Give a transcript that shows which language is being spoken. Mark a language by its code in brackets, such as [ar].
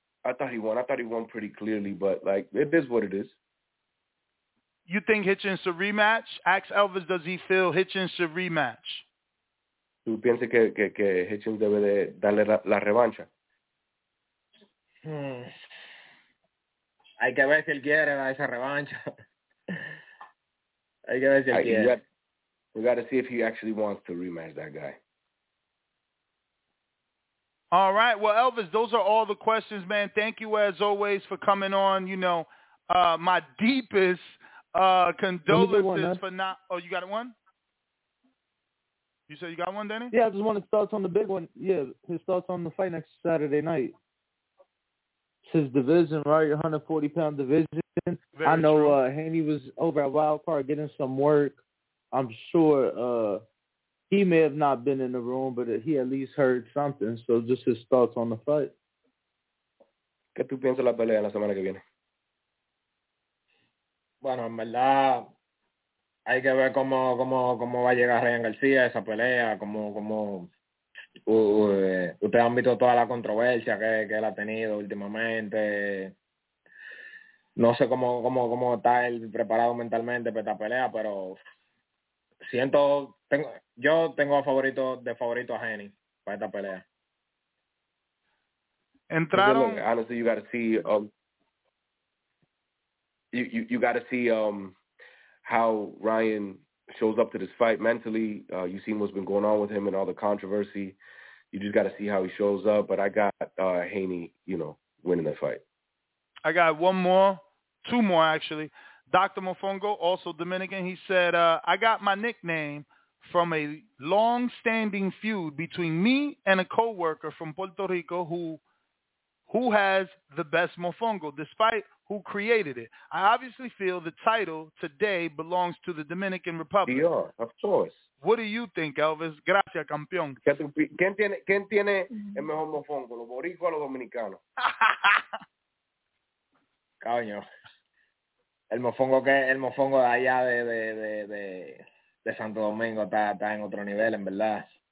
[en] I thought he won pretty clearly, but, like, it is what it is. You think Hitchens should rematch? Ask Elvis, does he feel Hitchens should rematch? [es] ¿Tú piensas que Hitchens debe de darle la revancha? Hay que ver si él quiere dar esa revancha. Hay que ver si él quiere. [en] We got to see if he actually wants to rematch that guy. All right. Well, Elvis, those are all the questions, man. Thank you, as always, for coming on. You know, my deepest condolences for not – oh, you got one? You said you got one, Danny? Yeah, I just wanted thoughts on the big one. Yeah, his thoughts on the fight next Saturday night. It's his division, right? 140-pound division. Very I know true. Haney was over at Wild Card getting some work. I'm sure he may have not been in the room, but he at least heard something. So just his thoughts on the fight. [es] ¿Qué tú piensas la pelea la semana que viene? Bueno, en verdad, hay que ver cómo va a llegar Ryan García a esa pelea, ustedes han visto toda la controversia que él ha tenido últimamente. No sé cómo está él preparado mentalmente para esta pelea, pero tengo favorito a Haney para esta pelea. Entraron. [en] Honestly, you gotta see how Ryan shows up to this fight mentally. You seen what's been going on with him and all the controversy. You just got to see how he shows up. But I got Haney, you know, winning the fight. I got two more, actually. Dr. Mofongo, also Dominican, he said, I got my nickname from a long-standing feud between me and a coworker from Puerto Rico who has the best Mofongo, despite who created it. I obviously feel the title today belongs to the Dominican Republic. Yeah, of course. What do you think, Elvis? [es] Gracias, campeón. ¿Quién tiene el mejor mofongo, los boricuas o los dominicanos? Coño. El mofongo de allá de Santo Domingo está en otro nivel, en verdad.